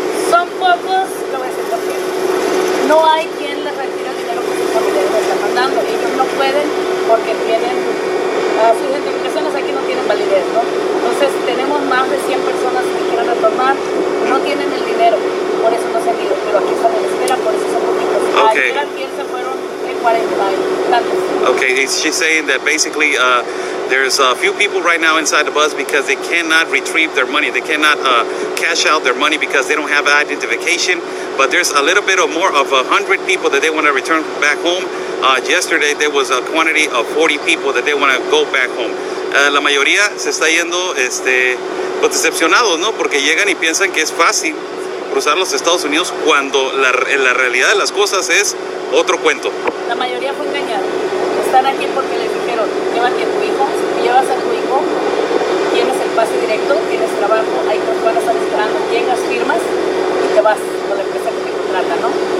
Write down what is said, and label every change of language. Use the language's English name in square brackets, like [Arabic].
[Spanish] Son pocos, lo voy a decir porque no hay quien les retire el dinero porque les están mandando. Ellos no pueden porque tienen sus identificaciones aquí, no tienen validez, ¿no? Entonces, tenemos más de 100 personas que quieren retornar, no tienen el dinero, por eso no se han ido, pero aquí están en espera, por eso son poquitos. Okay. Ayer al 10 se fueron en 40 años. [English] Okay, she's saying that basically there's a few people right now inside the bus because they cannot retrieve their money. They cannot cash out their money because they don't have identification. But there's a little bit of more of 100 people that they want to return back home. Yesterday, there was a quantity of 40 people that they want to go back home. [Spanish] La mayoría se está yendo pues decepcionados, ¿no? Porque llegan y piensan que es fácil cruzar los Estados Unidos cuando la realidad de las cosas es otro cuento. La mayoría fue engañada. Están aquí porque les dijeron, llévate a tu hijo, llevas a tu hijo, tienes el pase directo, tienes trabajo, ahí te van a estar esperando, llegas, firmas y te vas con la empresa que te contrata, ¿no?